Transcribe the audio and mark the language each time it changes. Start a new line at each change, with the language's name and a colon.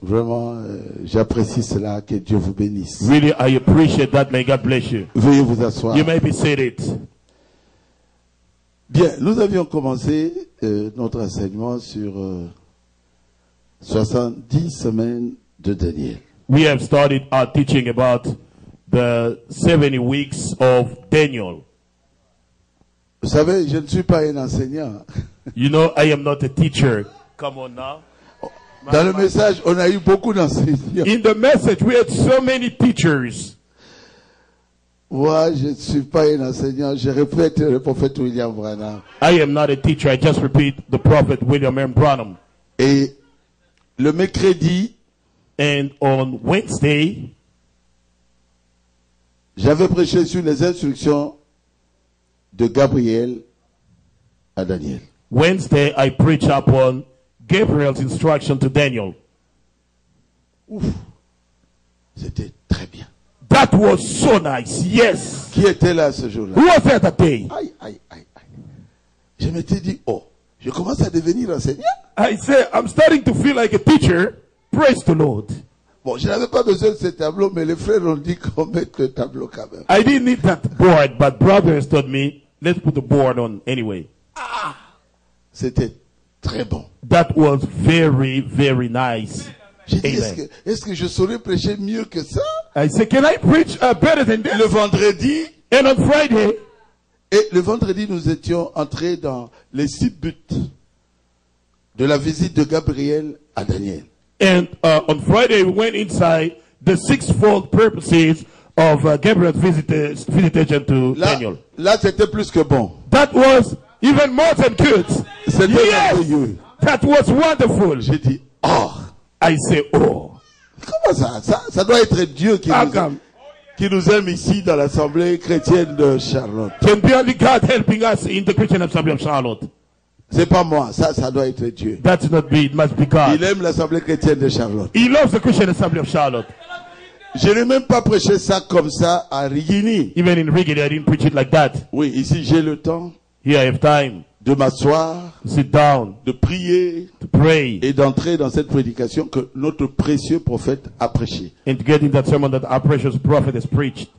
French: Vraiment, j'apprécie cela, que Dieu vous bénisse.
English: Really, I appreciate that. May God bless you.
French: Veuillez vous asseoir.
English: You may be seated.
French: Bien, nous avions commencé notre enseignement sur 70 semaines de Daniel.
English: We have started our teaching about the 70 weeks of Daniel.
French: Vous savez, je ne suis pas un enseignant.
English: You know, I am not a teacher. Come on now.
French: Dans le message, on a eu beaucoup d'enseignants.
English: In the message, we had so many teachers.
French: Moi, je ne suis pas un enseignant. Je répète le prophète William Branham.
English: I am not a teacher. I just repeat the prophet William M. Branham.
French: Et le mercredi,
English: and on Wednesday,
French: j'avais prêché sur les instructions de Gabriel à Daniel.
English: Wednesday, I preach upon Gabriel's instruction to Daniel.
French: Ouf. C'était très bien.
English: That was so nice. Yes.
French: Qui était là ce jour-là?
English: Who was there that day?
French: Aïe, aïe, aïe, aïe. Je m'étais dit, oh, je commence à devenir enseignant.
English: I say, I'm starting to feel like a teacher. Praise the Lord.
French: Bon, je n'avais pas besoin de ce tableau, mais les frères ont dit qu'on mette le tableau quand même.
English: I didn't need that board, but brothers told me, let's put the board on anyway.
French: Ah! C'était très bon.
English: That was very, very nice.
French: Dit, est-ce que je saurais prêcher mieux que ça?
English: I said, can I preach better than this?
French: Le vendredi.
English: And on Friday.
French: Et le vendredi, nous étions entrés dans les 6 buts de la visite de Gabriel à Daniel.
English: And on Friday, we went inside the sixfold purposes of Gabriel's visitation to
French: là,
English: Daniel.
French: Là, c'était plus que bon.
English: That was even more than good.
French: C'était merveilleux.
English: That was wonderful.
French: J'ai dit, oh.
English: I say, oh.
French: Comment ça? Ça doit être Dieu qui nous aime. Qui nous aime ici dans l'assemblée chrétienne de Charlotte.
English: Can be only God helping us in the Christian assembly of Charlotte.
French: C'est pas moi, ça doit être Dieu.
English: That's not me, it must be God.
French: Il aime l'assemblée chrétienne de Charlotte.
English: He loves the Christian assembly of Charlotte.
French: Je n'ai même pas prêché ça comme ça à Rigini.
English: Even in Rigini, I didn't preach it like that.
French: Oui, ici j'ai le temps.
English: Here I have time.
French: De m'asseoir.
English: Sit down.
French: De prier.
English: To pray.
French: Et d'entrer dans cette prédication que notre précieux prophète a prêché.
English: And to get in that sermon that our precious prophet has preached.